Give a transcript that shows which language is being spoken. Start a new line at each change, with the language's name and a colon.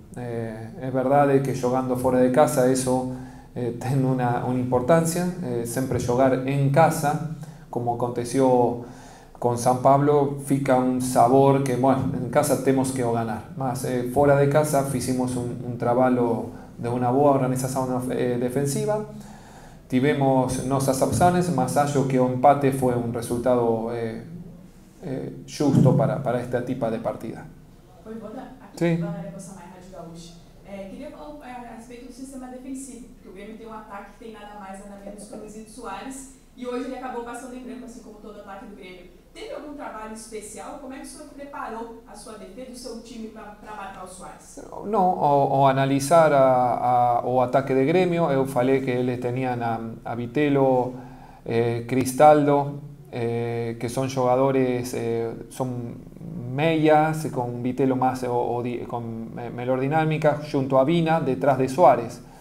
Spanish: Es verdad que jugando fuera de casa eso tiene una importancia, siempre jugar en casa, como aconteció con San Pablo, fica un sabor que, bueno, en casa tenemos que ganar. Más fuera de casa hicimos un trabajo de una buena organización defensiva. Tuvimos nuestras opciones, más allá que un empate fue un resultado justo para este tipo de partida.
Portuguese: Oi, Wanda. Aqui é a galera da Samaia Rádio Gaúcha. Queria falar a respeito do sistema defensivo, porque o Grêmio tem um ataque que tem nada mais, nada menos que o Luizito Soares, e hoje ele acabou passando em branco, assim como todo ataque do Grêmio. Teve algum trabalho especial? Como é que o senhor preparou a sua defesa, o seu time para matar o Soares? Não, ou analisar o ataque de Grêmio, eu falei que eles tinham a
Spanish: Vitello, Cristaldo, que son jugadores, son medias, con Vitello más con mejor dinámica, junto a Vina, detrás de Suárez.